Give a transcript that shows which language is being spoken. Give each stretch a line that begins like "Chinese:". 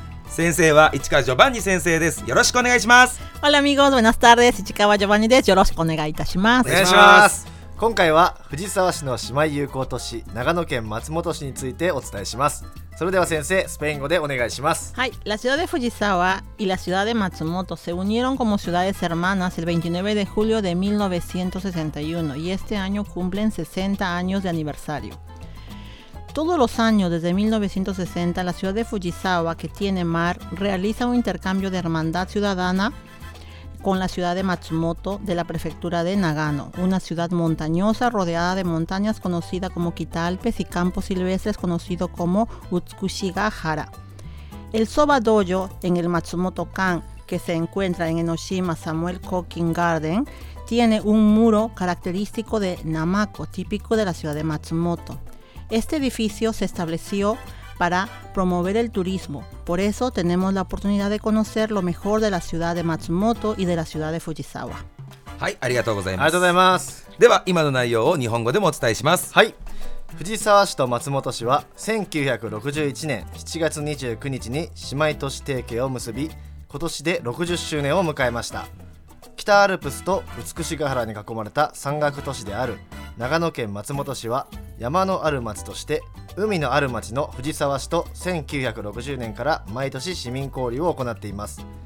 Japanese: 先生は市川ジョバンニ先生です。よろしくお願いします。ホラミゴーズ、ブナスタールです。市川ジョバンニです。よろしくお願いいたします。お願いします。今回は藤沢市の姉妹友好都市、長野県松本市についてお伝えします。それでは先生、スペイン語でお願いします。はい。
Spanish: La ciudad de Fujisawa y la ciudad de Matsumoto se unieron como ciudades hermanas el 29 de julio de 1961 y este año cumplen 60 años de aniversario. Todos los años desde 1960, la ciudad de Fujisawa, que tiene mar, realiza un intercambio de hermandad ciudadana con la ciudad de Matsumoto de la prefectura de Nagano, una ciudad montañosa rodeada de montañas conocida como Kitaalpes y campos silvestres conocido como Utsukushigahara. El Soba Dojo en el Matsumoto Kan, que se encuentra en Enoshima Samuel Kokin Garden, tiene un muro característico de Namako, típico de la ciudad de Matsumoto. Este edificio se estableció para promover el turismo. Por eso tenemos la oportunidad de conocer lo mejor de la ciudad de Matsumoto y de la ciudad de Fujisawa.
Japanese: はい、ありがとうございます。ありがとうございます。では、今の内容を日本語でもお伝えします。はい。藤沢市と松本市は1961年7月29日に姉妹都市提携を結び、今年で60周年を迎えました。北アルプスと美しが原に囲まれた山岳都市である長野県松本市は、山のある町として海のある町の藤沢市と1960年から毎年市民交流を行っています。